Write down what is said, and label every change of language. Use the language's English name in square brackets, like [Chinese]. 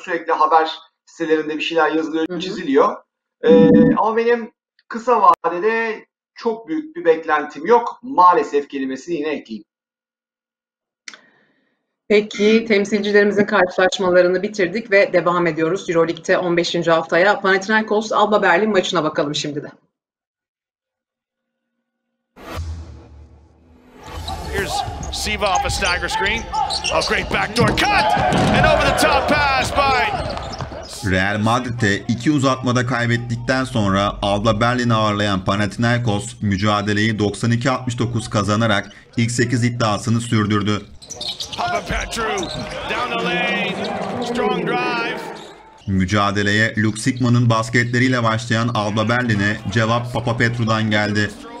[Turkish] Sürekli haber sitelerinde bir şeyler yazılıyor, çiziliyor. Ama benim kısa vadede çok büyük bir beklentim yok. Maalesef kelimesini yine ekleyeyim. Peki, temsilcilerimizin karşılaşmalarını bitirdik ve devam ediyoruz EuroLeague'de 15. haftaya. Panathinaikos Alba Berlin maçına bakalım şimdi de. [English] Here's Siva off a stagger screen. A great backdoor cut and over the top pass by. [Turkish] Real Madrid'e 2 uzatmada kaybettikten sonra Alba Berlin'i ağırlayan Panathinaikos mücadeleyi 92-69 kazanarak ilk 8 iddiasını sürdürdü. [English] Papapetru, down the lane, strong drive. [Turkish] Mücadeleye Luke Sigmund'un basketleriyle başlayan Alba Berlin'e cevap Papapetru'dan geldi.